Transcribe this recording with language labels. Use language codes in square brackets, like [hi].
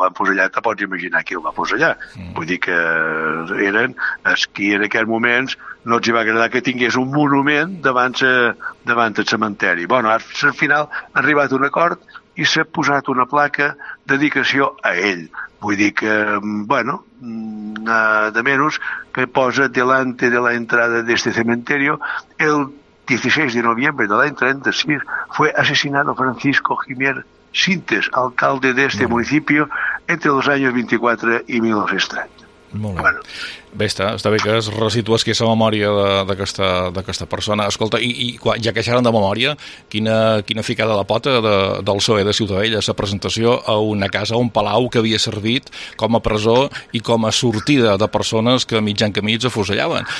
[ca] El van fusellar, te pots imaginar qui el va fusellar. Mm-hmm. Vull dir que eren els qui en aquests moments no els va agradar que tingués un monument davant del cementeri. Bueno, al final ha arribat un acord i s'ha posat una placa de dedicació a ell. Vull dir que, [es] bueno, de menos, que posa delante de la entrada d'este cementerio, el 16 de noviembre [ca] de l'any [es] 36 fue asesinado Francisco Jiménez Sintes, alcalde de este municipio, entre los años 24 y 1930. [ca] Molt bé. Bueno. Bé, està bé que es resitues aquesta memòria d'aquesta persona. Escolta, i ja que xeren de memòria, quina ficada a la pota del PSOE de Ciutadella, la presentació a una casa, a un palau que havia servit com a presó i com a sortida de persones que mitjan camí es afusellaven.